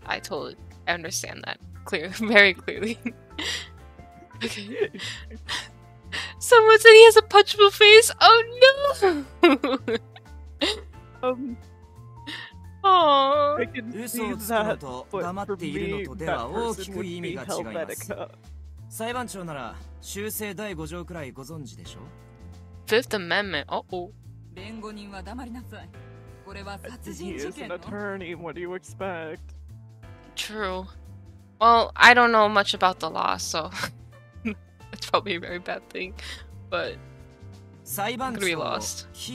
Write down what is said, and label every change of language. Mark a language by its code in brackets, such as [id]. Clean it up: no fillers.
[en] I understand that. Very clearly. Okay. Someone said he has a punchable face. Oh no. I can see that, but for me, that person would be Helvetica. [ja] 裁判長なら修正第5条くらいご存知でしょう? [en] Fifth Amendment. Uh-oh. [ja] 弁護人は黙りなさい。これは殺人事件の。 [en] He is an attorney. What do you expect? True. Well, I don't know much about the law, so. Probably a very bad thing, but I'm gonna be lost.